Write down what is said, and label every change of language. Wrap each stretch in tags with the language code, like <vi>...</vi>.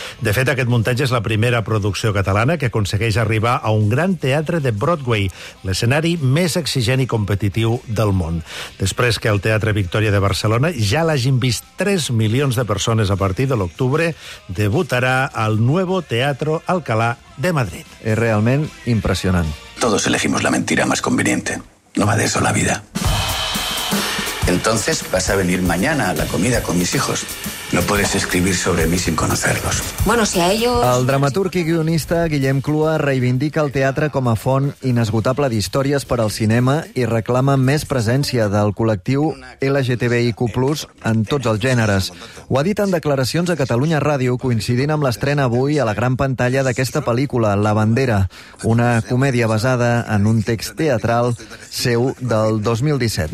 <ca>De fet, aquest muntatge és la primera producció catalana que aconsegueix arribar a un gran teatre de Broadway, l'escenari més exigent i competitiu del món. Després que el Teatre Victòria de Barcelona ja l'hagin vist 3 milions de persones a partir de l'octubre, debutarà al Nuevo Teatro Alcalá de Madrid. És realment impressionant.</ca> <es>Todos elegimos la mentira más conveniente. No va de eso la vida. Entonces vas a venir mañana a la comida con mis hijos. No puedes escribir sobre mí sin conocerlos. Bueno, si a ellos...</es> <ca>El dramaturg i guionista Guillem Clua reivindica el teatre com a font inesgotable d'històries per al cinema i reclama més presència del col·lectiu LGTBIQ+, en tots els gèneres. Ho ha dit en declaracions a Catalunya Ràdio, coincidint amb l'estrena avui a la gran pantalla d'aquesta pel·lícula, La Bandera, una comèdia basada en un text teatral seu del 2017.</ca>